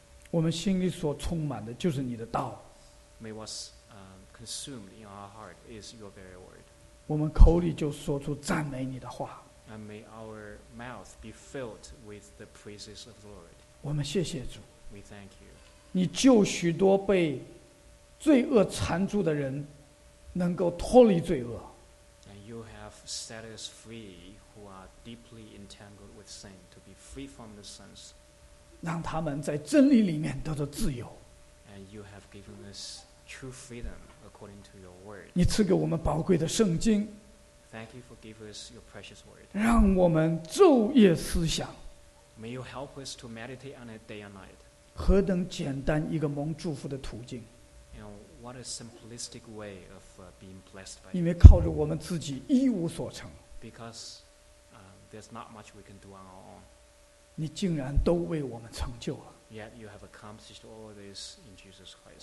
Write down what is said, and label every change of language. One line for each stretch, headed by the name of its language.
Chinese: 我们心里所充满的就是你的道。
English: May what's consumed in our heart is your very word.
Chinese: 我们口里就说出赞美你的话。
English: And may our mouth be filled with the praises of the Lord.
Chinese: 我们谢谢主。
English: We thank you.
Chinese: 你救许多被罪恶缠住的人能够脱离罪恶。
English: And you have set us free who are deeply entangled with sin to be free from the sins.
Chinese: 让他们在真理里面得到自由。
English: And you have given us true freedom according to your word.
Chinese: 你赐给我们宝贵的圣经。
English: Thank you for giving us your precious word.
Chinese: 让我们昼夜思想。
English: May you help us to meditate on it day and night.
Chinese: 何等简单一个蒙祝福的途径。
English: And what a simplistic way of being blessed by.
Chinese: 因为靠着我们自己一无所成。
English: Because there's not much we can do on our own.
Chinese: 你竟然都为我们成就了。
English: Yet you have accomplished all this in Jesus Christ.